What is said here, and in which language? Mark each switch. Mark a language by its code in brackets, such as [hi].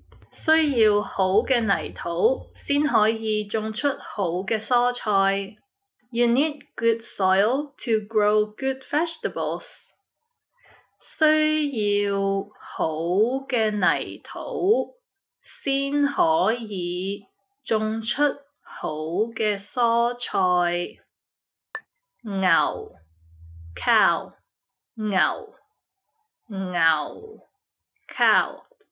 [yue] 需要好嘅泥土先可以种出好嘅蔬菜。 [en] You need good soil to grow good vegetables. [yue] 需要好嘅泥土先可以种出好嘅蔬菜。牛 cow, 牛牛 cow.